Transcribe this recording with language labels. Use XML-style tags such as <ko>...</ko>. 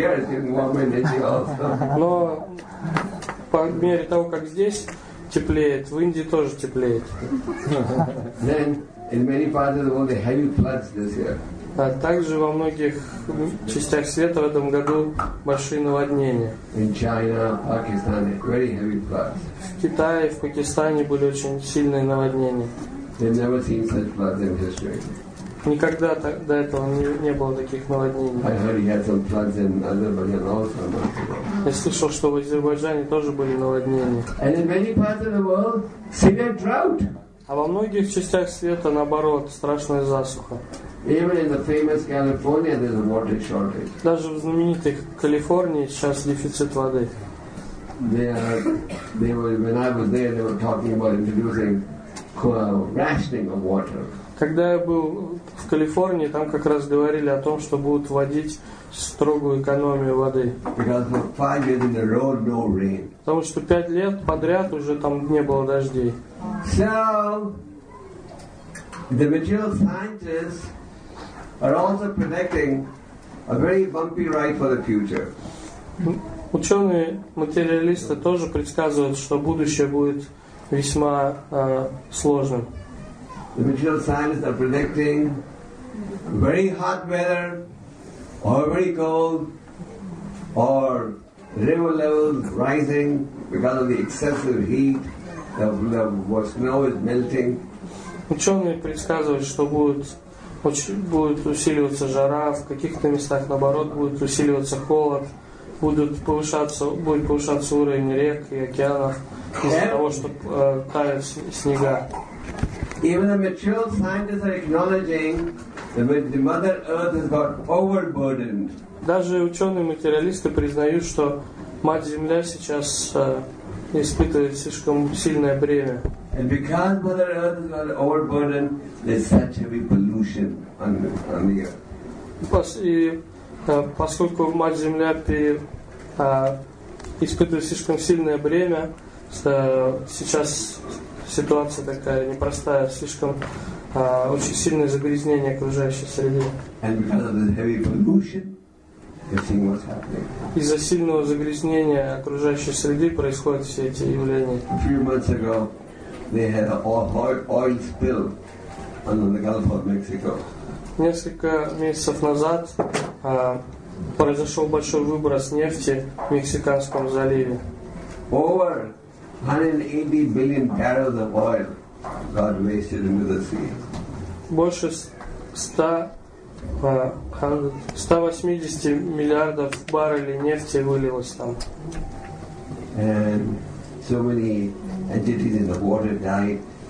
<ru>Но по мере того, как здесь теплеет, в Индии тоже теплеет.</ru> <en>Then in many parts of the world, they have floods this year.</en> <ru>А также во многих частях света в этом году большие наводнения.</ru> <en>In China, Pakistan, very heavy floods.</en> <ru>В Китае, в Пакистане были очень сильные наводнения.</ru> <en>They've never seen such floods in history.</en> <ru>Никогда так, до этого не было таких наводнений.</ru> <en>I heard he had some floods in Azerbaijan also.</en> <ru>Я слышал, что в Азербайджане тоже были наводнения.</ru> <en>And in many parts of the world, severe drought.</en> <ru>А во многих частях света, наоборот, страшная засуха.</ru> <en>Even in the famous California, there's a water shortage.</en> <ru>Даже в знаменитой Калифорнии сейчас дефицит воды.</ru> <en>When I was there, they were talking about introducing rationing of water.</en> <ru>Когда я был в Калифорнии, там как раз говорили о том, что будут вводить строгую экономию воды.</ru> <en>Because for 5 years in a row, no rain.</en> <ru>Потому что 5 лет подряд уже там не было дождей.</ru> <en>So the material scientists are also predicting a very bumpy ride for the future.</en> <ru>Ученые материалисты тоже предсказывают, что будущее будет весьма сложным.</ru> <en>The material scientists are predicting very hot weather, or very cold, or river levels rising because of the excessive heat. The snow is melting.</en> <ru>Ученые предсказывают, что будет усиливаться жара, в каких-то местах наоборот будет усиливаться холод, будет повышаться уровень рек и океанов из-за того, что тают снега.</ru> <en>Even the material scientists are acknowledging that the Mother Earth has got overburdened.</en> <ru>Даже ученые-материалисты признают, что Мать Земля сейчас испытывает слишком сильное бремя.</ru> <en>And because Mother Earth has got overburdened, there's such heavy pollution on the earth.</en> <ru>И поскольку Мать Земля испытывает слишком сильное бремя, сейчас ситуация такая непростая, слишком очень сильное загрязнение окружающей среды.</ru> <en>And because of the heavy pollution, you're seeing what's happening.</en> <ru>Из-за сильного загрязнения окружающей среды происходят все эти явления.</ru> <en>A few months ago, they had an oil spill on the Gulf of Mexico.</en> <ru>Несколько месяцев назад произошел большой выброс нефти в Мексиканском заливе.</ru> <en>Over 180 billion barrels of oil got wasted into the sea.</en> <ru>Больше 180 миллиардов баррелей нефти вылилось там.</ru> <en>And so many entities in the water died.</en>